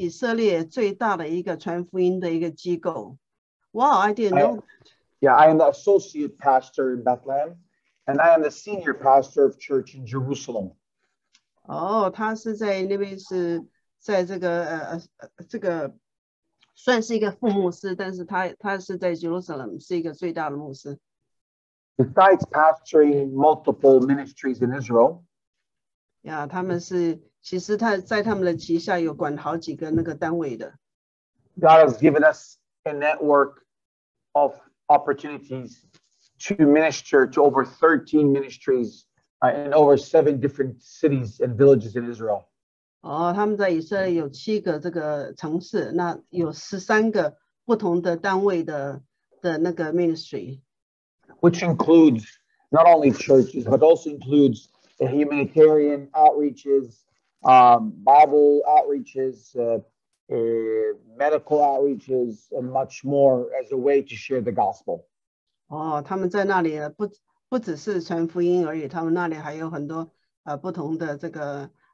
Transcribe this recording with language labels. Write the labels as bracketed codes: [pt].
[zh] 今天他们就是在这个以色列最大的一个传福音的一个机构. [en] Wow, I didn't know that. Yeah, I am the associate pastor in Bethlehem, and I am the senior pastor of church in Jerusalem. [zh] Oh, 他是在那边是在这个算是一个副牧师，但是他是在耶路撒冷是一个最大的牧师. [en] Besides pastoring multiple ministries in Israel, [zh] yeah, 他们是其实他在他们的旗下有管好几个那个单位的。 [en] God has given us a network of opportunities to minister to over 13 ministries in over 7 different cities and villages in Israel. [zh] 他们在以色列有七个这个城市，那有十三个不同的单位的那个 ministry, [en] which includes not only churches but also includes the humanitarian outreaches, Bible outreaches, medical outreaches, and much more as a way to share the gospel. [zh] 哦，他们在那里不只是传福音而已，他们那里还有很多不同的这个。